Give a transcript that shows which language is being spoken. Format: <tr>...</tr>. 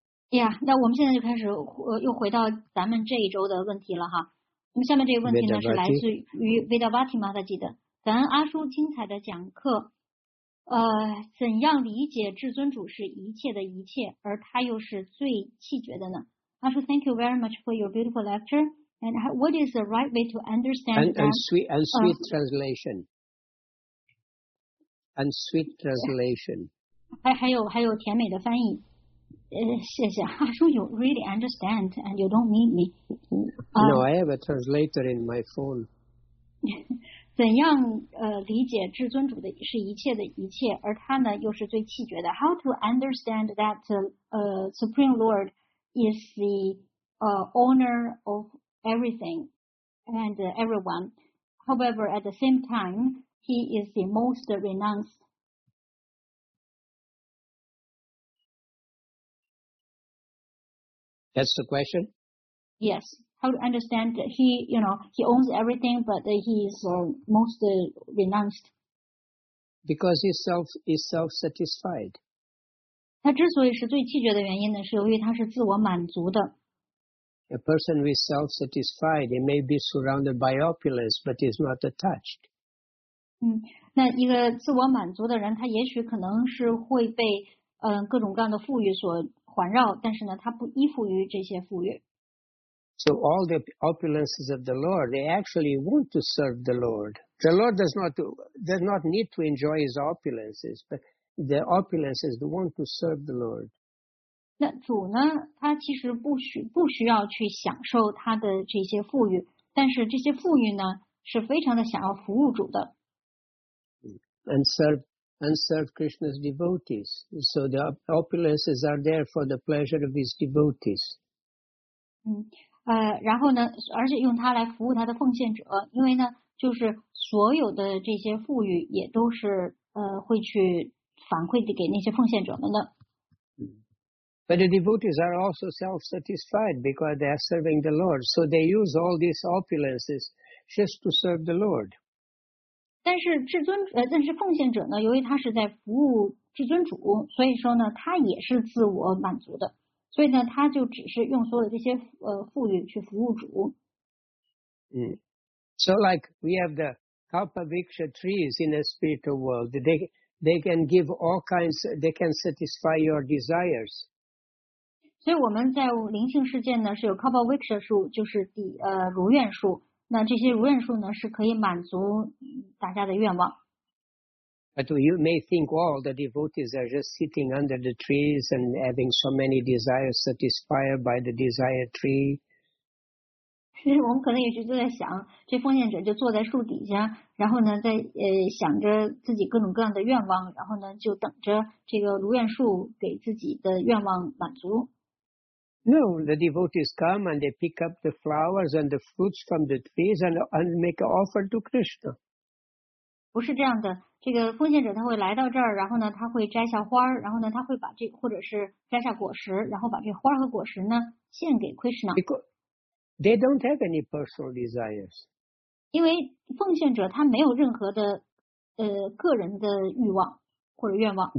<zh>Yeah, 那我们现在就开始又回到咱们这一周的问题了哈。那么下面这个问题呢是来自于 Vedavati Mataji 的。咱阿叔精彩的讲课，怎样理解至尊主是一切的一切，而他又是最气绝的呢？</zh> <en>阿叔 ，Thank you very much for your beautiful lecture. And what is the right way to understand that? And sweet translation. And sweet translation.</en> <zh>还有甜美的翻译。谢谢阿叔</zh> <en>，You really understand and you don't need me. No, I have a translator in my phone.</en> <zh>怎样理解至尊主的是一切的一切，而他呢又是最气绝的</zh> <en>？How to understand that Supreme Lord is the owner of everything and everyone? However, at the same time, he is the most renounced. That's the question? Yes. How to understand that he, you know, he owns everything, but he is most renounced. Because he is self-satisfied.</en> <zh>他之所以是最气绝的原因呢，是由于他是自我满足的。</zh> <en>A person who is self-satisfied, he may be surrounded by opulence, but he is not attached.</en> <zh>那一个自我满足的人，他也许可能是会被各种各样的富裕所环绕，但是呢，他不依附于这些富裕。</zh> <en>So all the opulences of the Lord, they actually want to serve the Lord. The Lord does not need to enjoy his opulences, but the opulences they want to serve the Lord.</en> <zh>那主呢，他其实不需要去享受他的这些富裕，但是这些富裕呢，是非常的想要服务主的。</zh> <en>And serve Krishna's devotees. So the opulences are there for the pleasure of his devotees.</en> <zh>然后呢，而且用它来服务他的奉献者，因为呢，就是所有的这些富裕也都是会去反馈给那些奉献者们的。</zh> <en>But the devotees are also self-satisfied because they are serving the Lord. So they use all these opulences just to serve the Lord.</en> <zh>但是奉献者呢，由于他是在服务至尊主，所以说呢，他也是自我满足的，所以呢，他就只是用所有这些富裕去服务主。</zh> <en>So like we have the kalpa viksha trees in the spiritual world, they can give all kinds, they can satisfy your desires.</en> <zh>所以我们在灵性世界呢，是有 kalpa viksha 树，就是如愿树。那这些如愿树呢，是可以满足大家的愿望。</zh> <en>But you may think all the devotees are just sitting under the trees and having so many desires satisfied by the desire tree.</en> <zh>就是我们可能有时就在想，这奉献者就坐在树底下，然后呢在想着自己各种各样的愿望，然后呢就等着这个如愿树给自己的愿望满足。</zh> <en>No, the devotees come and they pick up the flowers and the fruits from the trees and make an offer to Krishna.</en> <zh>不是这样的，这个奉献者他会来到这儿，然后呢他会摘下花，然后呢他会把这或者是摘下果实，然后把这花和果实呢献给 Krishna。</zh> <en>They don't have any personal desires.</en> <zh>因为奉献者他没有任何的个人的欲望或者愿望。</zh>